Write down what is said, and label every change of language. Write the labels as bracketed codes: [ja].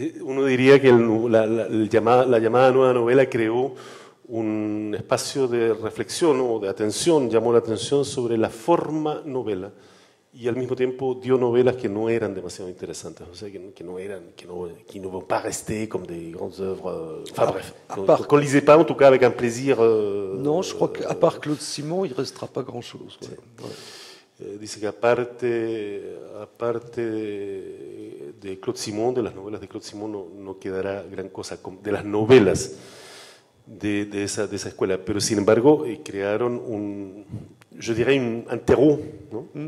[es] Uno diría que la llamada nueva novela creó un espacio de reflexión o de atención, llamó la atención sobre la forma novela y al mismo tiempo dio novelas que no eran demasiado interesantes, o sea, que no [fr] vont pas rester comme des grandes œuvres. Enfin bref, qu'on ne lisait pas en tout cas avec un plaisir. Non, je crois qu'à part Claude Simon, il ne restera pas grand-chose. Ouais. [es] Dice que aparte de Claude Simon, de las novelas de Claude Simon, no quedará gran cosa de las novelas de esa escuela. Pero sin embargo, crearon un, yo diría, un terreau, ¿no?